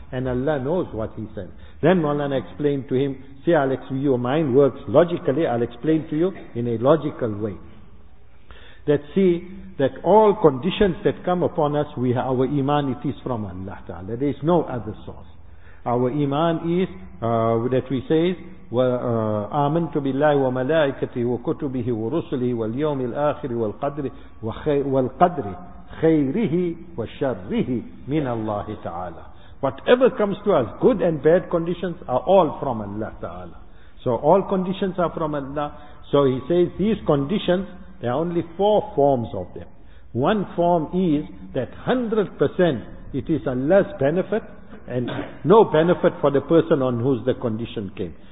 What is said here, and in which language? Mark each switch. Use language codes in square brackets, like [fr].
[en] And Allah knows what He said. Then Maulana explained to him, see Alex, your mind works logically, I'll explain to you in a logical way. That see, that all conditions that come upon us, we have our iman, it is from Allah Ta'ala. There is no other source. Our iman is that we say [ar] آمنتُ بِاللَّهِ وَمَلَائِكَتِهِ وَكُتُبِهِ وَرُسُلِهِ وَالْيَوْمِ الْآخِرِ وَالْقَدْرِ خَيْرِهِ وَشَرِّهِ مِنَ اللَّهِ تَعَالَى. [en] Whatever comes to us, good and bad conditions, are all from Allah Ta'ala. So all conditions are from Allah. So he says these conditions, there are only four forms of them. One form is that 100% it is Allah's benefit and no benefit for the person on whose the condition came.